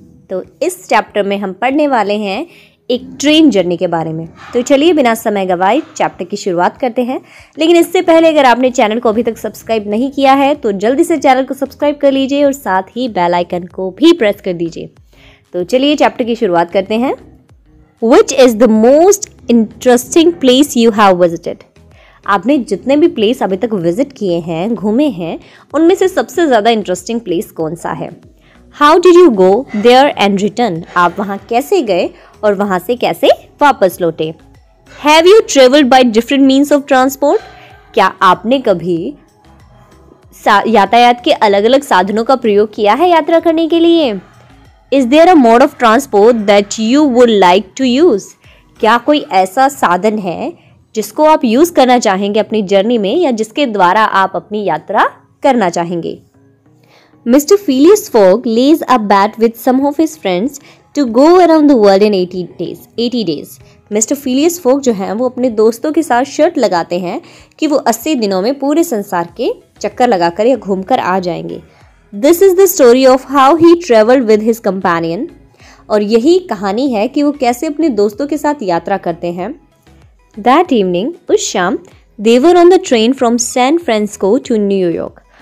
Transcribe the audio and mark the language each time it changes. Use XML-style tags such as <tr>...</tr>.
<hi>तो इस chapter में हम पढ़ने वाले हैं एक train journey के बारे में. तो चलिए बिना समय गवाए chapter की शुरुआत करते हैं. लेकिन इससे पहले अगर आपने channel को अभी तक subscribe नहीं किया है तो जल्दी से channel को subscribe कर लीजिए और साथ ही bell icon को भी press कर दीजिए. तो चलिए chapter की शुरुआत करते हैं.</hi> <en>Which is the most interesting place you have visited?</en> <hi>आपने जितने भी प्लेस अभी तक विजिट किए हैं, घूमे हैं, उनमें से सबसे ज़्यादा इंटरेस्टिंग प्लेस कौन सा है?</hi> <en>How did you go there and return?</en> <hi>आप वहाँ कैसे गए और वहाँ से कैसे वापस लौटे?</hi> <en>Have you traveled by different means of transport?</en> <hi>क्या आपने कभी यातायात के अलग अलग साधनों का प्रयोग किया है यात्रा करने के लिए?</hi> <en>Is there a mode of transport that you would like to use?</en> <hi>क्या कोई ऐसा साधन है जिसको आप use करना चाहेंगे अपनी journey में या जिसके द्वारा आप अपनी यात्रा करना चाहेंगे?</hi> <en>Mr. Phileas Fogg lays a bet with some of his friends to go around the world in 80 days. Mr.</en> <hi>Phileas Fogg जो हैं वो अपने दोस्तों के साथ शर्त लगाते हैं कि वो 80 दिनों में पूरे संसार के चक्कर लगाकर या घूमकर आ जाएंगे.</hi> <en>This is the story of how he traveled with his companion.</en> <hi>और यही कहानी है कि वो कैसे अपने दोस्तों के साथ यात्रा करते हैं.</hi> <en>That evening,</en> <hi>उस शाम,</hi> <en>they were on the train from San Francisco to New York.</en>